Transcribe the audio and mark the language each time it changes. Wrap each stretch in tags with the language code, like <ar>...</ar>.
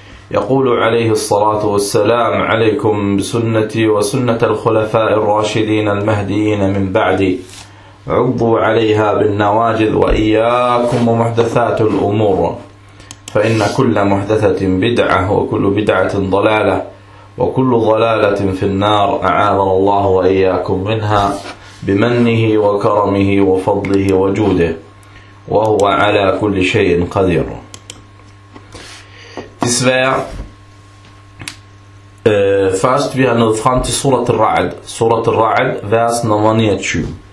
<ar>يقول عليه الصلاة والسلام: عليكم بسنتي وسنة الخلفاء الراشدين المهديين من بعدي، عضوا عليها بالنواجذ، وإياكم ومحدثات الأمور، فإن كل محدثة بدعة وكل بدعة ضلالة وكل ضلالة في النار، أعاذنا الله وإياكم منها بمنه وكرمه وفضله وجوده، وهو على كل شيء قدير. تسبيح.</ar> <en>First we are going to سورة الرعد. سورة الرعد verse 29.</en>